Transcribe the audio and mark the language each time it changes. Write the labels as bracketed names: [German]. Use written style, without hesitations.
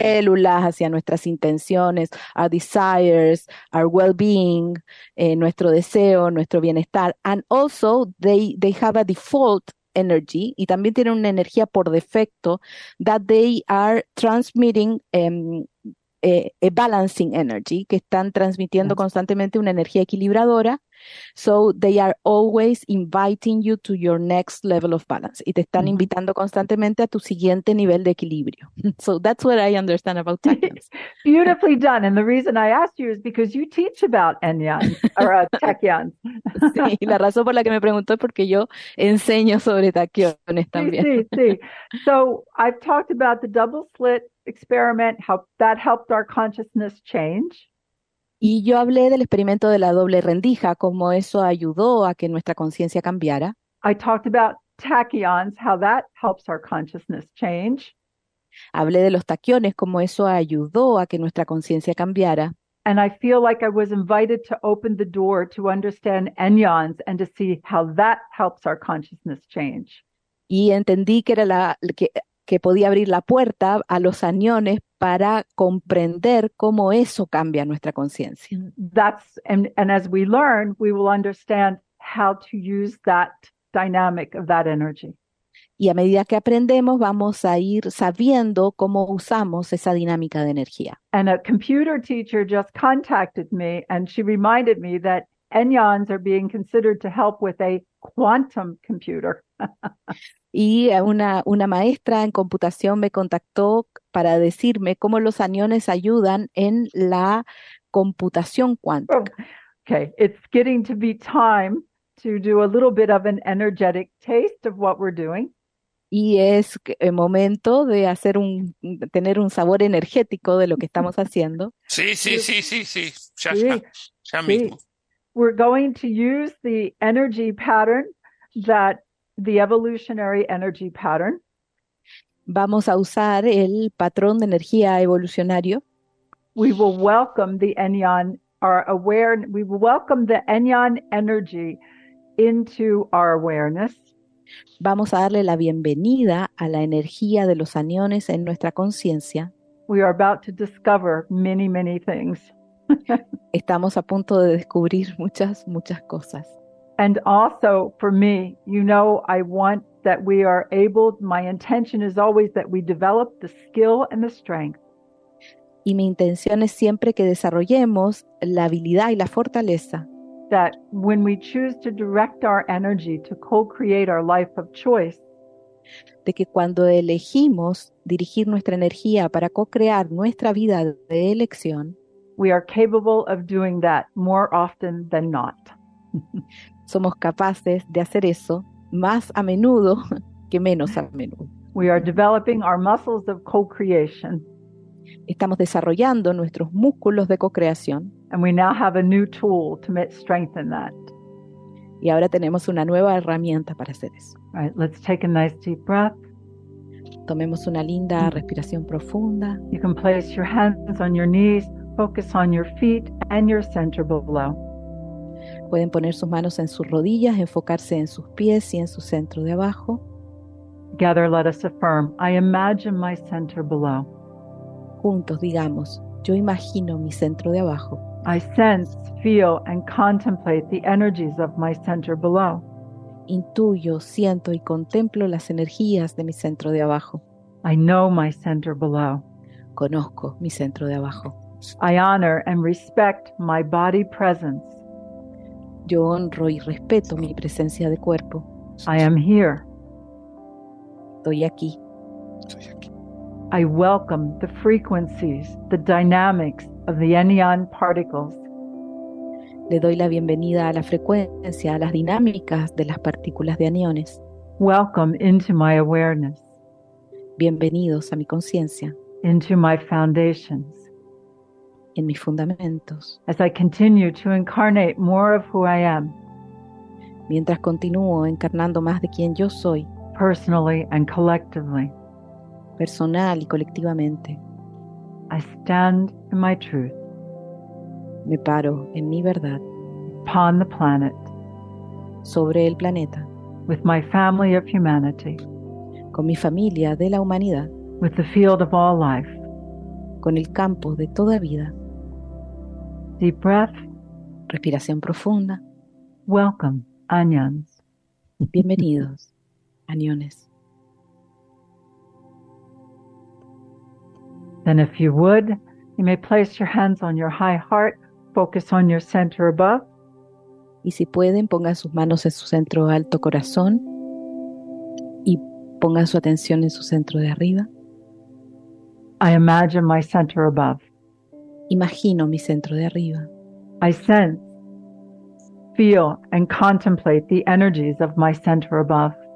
[Spanish] células, hacia nuestras intenciones, [English] our desires, our well-being, [Spanish] nuestro deseo, nuestro bienestar. [English] And also, they have a default energy, [Spanish] y también tienen una energía por defecto, [English] that they are transmitting a balancing energy, [Spanish] que están transmitiendo constantemente una energía equilibradora. [English] So they are always inviting you to your next level of balance. [Spanish] Y te están mm-hmm. invitando constantemente a tu siguiente nivel de equilibrio. [English] So that's what I understand about tachyons. Beautifully done. And the reason I asked you is because you teach about enyans or tachyons. [Spanish] Sí, la razón por la que me preguntó es porque yo enseño sobre tachyones también. Sí, sí. [English] So I've talked about the double slit experiment, how that helped our consciousness change. [Spanish] Y yo hablé del experimento de la doble rendija, cómo eso ayudó a que nuestra conciencia cambiara. [English] I talked about tachyons, how that helps our consciousness change. [Spanish] Hablé de los taquiones, cómo eso ayudó a que nuestra conciencia cambiara. [English] And I feel like I was invited to open the door to understand enyans and to see how that helps our consciousness change. [Spanish] Y entendí que era que podía abrir la puerta a los aniones para comprender cómo eso cambia nuestra conciencia. [English] That's and as we learn, we will understand how to use that dynamic of that energy. [Spanish] Y a medida que aprendemos, vamos a ir sabiendo cómo usamos esa dinámica de energía. [English] And a computer teacher just contacted me and she reminded me that enyans are being considered to help with a quantum computer. [Spanish] Y una maestra en computación me contactó para decirme cómo los aniones ayudan en la computación cuántica. [English] Okay, it's getting to be time to do a little bit of an energetic taste of what we're doing. [Spanish] Y es el momento de hacer tener un sabor energético de lo que estamos haciendo. Sí, ya mismo. [English] We're going to use the energy pattern that the evolutionary energy pattern. [Spanish] Vamos a usar el patrón de energía evolucionario. [English] We will welcome the enyan, our aware. We will welcome the enyan energy into our awareness. [Spanish] Vamos a darle la bienvenida a la energía de los aniones en nuestra conciencia. [English] We are about to discover many, many things. [Spanish] Estamos a punto de descubrir muchas, muchas cosas. [English] And also for me, you know, I want that we are able, my intention is always that we develop the skill and the strength. [Spanish] Y mi intención es siempre que desarrollemos la habilidad y la fortaleza. [English] That when we choose to direct our energy to co-create our life of choice. [Spanish] De que cuando elegimos dirigir nuestra energía para co-crear nuestra vida de elección. [English] We are capable of doing that more often than not. [Spanish] Somos capaces de hacer eso más a menudo que menos a menudo. [English] We are developing our muscles of co-creation. [Spanish] Estamos desarrollando nuestros músculos de co-creación. [English] And we now have a new tool to strengthen that. [Spanish] Y ahora tenemos una nueva herramienta para hacer eso. [English] All right, let's take a nice deep breath. [Spanish] Tomemos una linda respiración profunda. [English] You can place your hands on your knees, focus on your feet and your center below. [Spanish] Pueden poner sus manos en sus rodillas, enfocarse en sus pies y en su centro de abajo. [English] Together, let us affirm, I imagine my center below. [Spanish] Juntos, digamos, yo imagino mi centro de abajo. [English] I sense, feel, and contemplate the energies of my center below. [Spanish] Intuyo, siento y contemplo las energías de mi centro de abajo. [English] I know my center below. [Spanish] Conozco mi centro de abajo. [English] I honor and respect my body presence. [Spanish] Yo honro y respeto mi presencia de cuerpo. [English] I am here. [Spanish] Estoy aquí. [English] I welcome the frequencies, the dynamics of the enyan particles. [Spanish] Le doy la bienvenida a la frecuencia, a las dinámicas de las partículas de aniones. [English] Welcome into my awareness. [Spanish] Bienvenidos a mi conciencia. [English] Into my foundations. [Spanish] En mis fundamentos. [English] As I continue to incarnate more of who I am. [Spanish] Mientras continúo encarnando más de quien yo soy. [English] Personally and collectively. [Spanish] Personal y colectivamente. [English] I stand in my truth. [Spanish] Me paro en mi verdad. [English] Upon the planet. [Spanish] Sobre el planeta. [English] With my family of humanity. [Spanish] Con mi familia de la humanidad. [English] With the field of all life. [Spanish] Con el campo de toda vida. [English] Deep breath. [Spanish] Respiración profunda. [English] Welcome, anions. [Spanish] Bienvenidos, aniones. [English] Then if you would, You may place your hands on your high heart, focus on your center above. [Spanish] Y si pueden, pongan sus manos en su centro alto corazón y pongan su atención en su centro de arriba. [English] I imagine my center above. [Spanish] Imagino mi centro de arriba. [English] I sense, feel, and contemplate the energies of my center above.